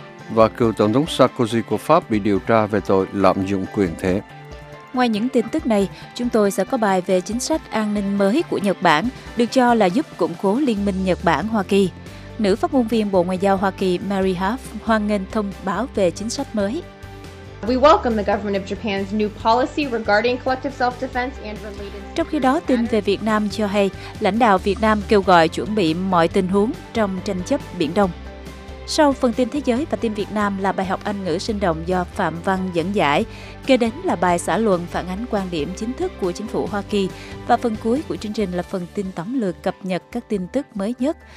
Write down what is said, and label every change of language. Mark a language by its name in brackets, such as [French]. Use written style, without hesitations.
[Vietnamese] Và cựu Tổng thống Sarkozy của Pháp bị điều tra về tội lạm dụng quyền thế. Ngoài những tin tức này, chúng tôi sẽ có bài về chính sách an ninh mới của Nhật Bản, được cho là giúp củng cố liên minh Nhật Bản-Hoa Kỳ. Nữ phát ngôn viên Bộ Ngoại giao Hoa Kỳ Mary Harf hoan nghênh thông báo về chính sách mới. [English] We welcome the government of Japan's new policy regarding collective self-defense and related. [Vietnamese] Trong khi đó, tin về Việt Nam cho hay, lãnh đạo Việt Nam kêu gọi chuẩn bị mọi tình huống trong tranh chấp Biển Đông. Sau phần tin thế giới và tin Việt Nam là bài học Anh ngữ sinh động do Phạm Văn dẫn giải, kế đến là bài xã luận phản ánh quan điểm chính thức của chính phủ Hoa Kỳ và phần cuối của chương trình là phần tin tóm lược cập nhật các tin tức mới nhất.